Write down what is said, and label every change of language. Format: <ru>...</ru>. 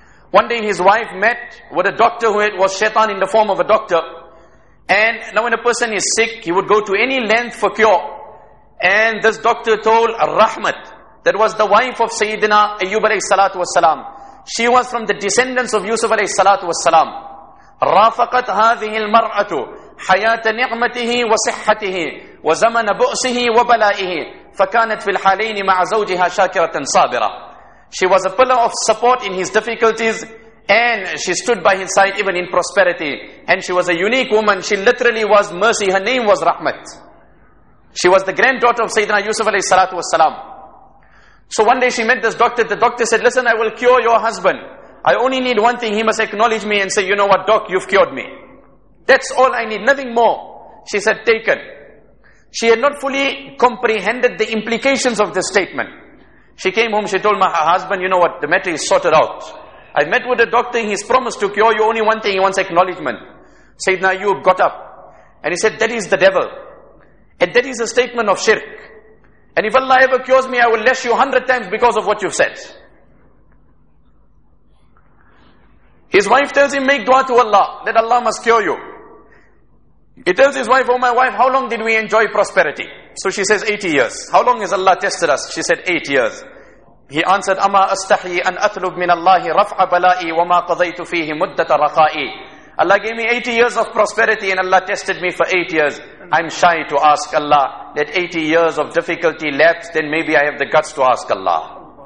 <en>One day his wife met with a doctor who was shaitan in the form of a doctor. And now when a person is sick, he would go to any length for cure. And this doctor told Rahmat, that was the wife of Sayyidina Ayyub alayhi salatu wassalam. She was from the descendants of Yusuf alayhi salatu wassalam.</en> <ar>رافقت هذه المرأة حياة نعمته وصحته وزمن بؤسه وبلائه فكانت في الحالين مع زوجها شاكرة صابرة.</ar> <en>She was a pillar of support in his difficulties and she stood by his side even in prosperity. And she was a unique woman. She literally was mercy. Her name was Rahmat. She was the granddaughter of Sayyidina Yusuf alayhi salatu wasalam. So one day she met this doctor. The doctor said, listen, I will cure your husband. I only need one thing. He must acknowledge me and say, you know what, doc, you've cured me. That's all I need, nothing more. She said, taken. She had not fully comprehended the implications of this statement. She came home, she told my husband, you know what, the matter is sorted out. I met with a doctor, he's promised to cure you, only one thing, he wants acknowledgement. Sayyidina Ayyub got up. And he said, that is the devil. And that is a statement of shirk. And if Allah ever cures me, I will lash you 100 times because of what you've said. His wife tells him, make dua to Allah, that Allah must cure you. He tells his wife, oh my wife, how long did we enjoy prosperity? So she says, 80 years. How long has Allah tested us? She said, 8 years. He answered,</en> <ar>أَمَا أَسْتَحْيِي أَنْ أَثْلُبْ مِنَ اللَّهِ رَفْعَ بَلَائِي وَمَا قَضَيْتُ فِيهِ مُدَّةَ رَخَائِي.</ar> <en>Allah gave me 80 years of prosperity and Allah tested me for 8 years. I'm shy to ask Allah that 80 years of difficulty lapse, then maybe I have the guts to ask Allah.</en>